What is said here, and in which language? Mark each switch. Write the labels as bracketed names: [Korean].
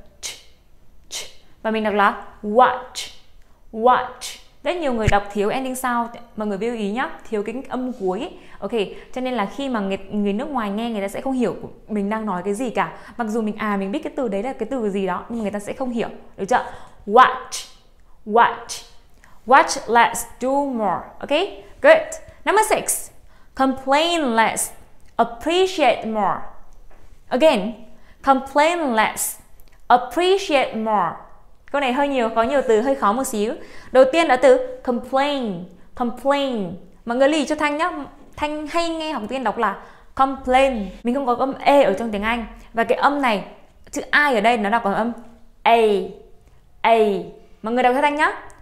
[Vietnamese] Ch. Ch. Và mình đọc là watch. Watch. Rất nhiều người đọc thiếu ending sound, mọi người lưu ý nhá, thiếu cái âm cuối. Ok, cho nên là khi mà người nước ngoài nghe, người ta sẽ không hiểu mình đang nói cái gì cả. Mặc dù mình biết cái từ đấy là cái từ gì đó, nhưng người ta sẽ không hiểu, được chưa? [English] Watch, watch, watch less, do more. Ok, good. Number 6, complain less, appreciate more. Again, complain less, appreciate more. [Vietnamese] Câu này hơi nhiều, có nhiều từ hơi khó một xíu. Đầu tiên là từ complain, complain. Mọi người lưu ý cho Thanh nhé. Thanh hay nghe học viên đọc là complain. Mình không có âm E ở trong tiếng Anh. Và cái âm này, chữ I ở đây nó đọc bằng âm A. A. Mọi người đọc cho Thanh nhé.